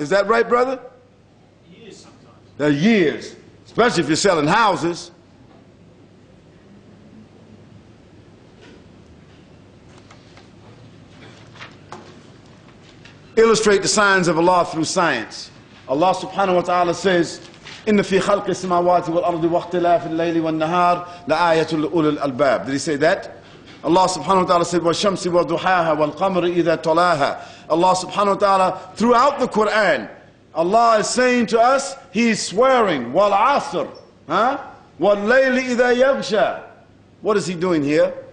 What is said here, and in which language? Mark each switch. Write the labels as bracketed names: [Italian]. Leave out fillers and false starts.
[English] Is that right, brother? Years sometimes. They're years, especially if you're selling houses. Illustrate the signs of Allah through science. Allah subhanahu wa ta'ala says, [Arabic] إِنَّ فِي خَلْقِ السَّمَاوَاتِ وَالْأَرْضِ وَاخْتِلَافِ اللَّيْلِ وَالنَّهَارِ لَآيَةُ لِأُولِي الْأَلْبَابِ. [English] Did he say that? Allah subhanahu wa ta'ala said, [Arabic] وَالشَّمْسِ وَضُحَاهَا وَالْقَمْرِ إِذَا تَلَاهَا. [English] Allah subhanahu wa ta'ala, throughout the Quran, Allah is saying to us, He is swearing, [Arabic] وَالْعَصْرِ وَاللَّيْلِ إِذَا يَغْشَى. [English] What is he doing here?